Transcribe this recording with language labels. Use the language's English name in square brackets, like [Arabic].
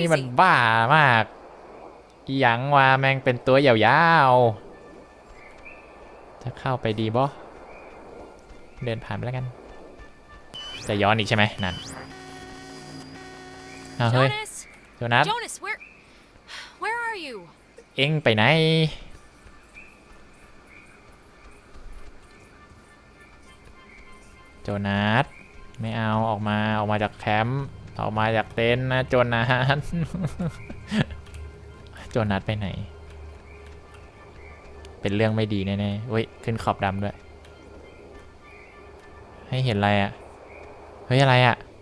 [Thai] นี่มันบ้ามากหยังว่าแม่งเป็นตัวยาวๆจะเข้าไปดีบ่เดินผ่านไปแล้วกันจะย้อนอีกใช่ไหมนั่นเฮ้ย [English] โจนาธ where are you? [Thai] เอ็งไปไหนโจนาธไม่เอาออกมาจากแคมป์ออกมาจากเต็นท์นะจนนะฮะจนนัดไปไหนเป็นเรื่องไม่ดีแน่ๆเว้ยขึ้นขอบดำด้วยให้เห็นอะไรอ่ะเฮ้ยอะไรอ่ะ